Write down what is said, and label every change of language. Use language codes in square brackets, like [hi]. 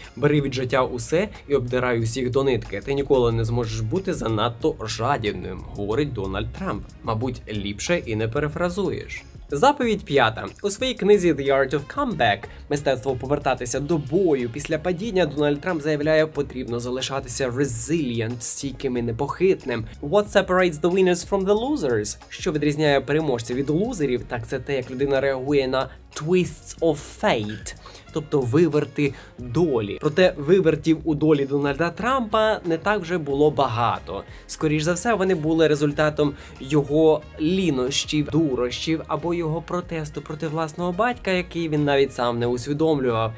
[uk] Бери від життя усе і обдирай усіх до нитки. Ти ніколи не зможеш бути занадто жадібним, говорить Дональд Трамп. Мабуть, ліпше і не перефразуєш. Заповідь п'ята. У своїй книзі «The Art of Comeback» – мистецтво повертатися до бою після падіння, Дональд Трамп заявляє, потрібно залишатися resilient, стійким і непохитним. [en] What separates the winners from the losers? [uk] Що відрізняє переможців від лузерів, так це те, як людина реагує на [en] «twists of fate». [uk] Тобто виверти долі. Проте вивертів у долі Дональда Трампа не так вже було багато. Скоріш за все, вони були результатом його лінощів, дурощів або його протесту проти власного батька, який він навіть сам не усвідомлював.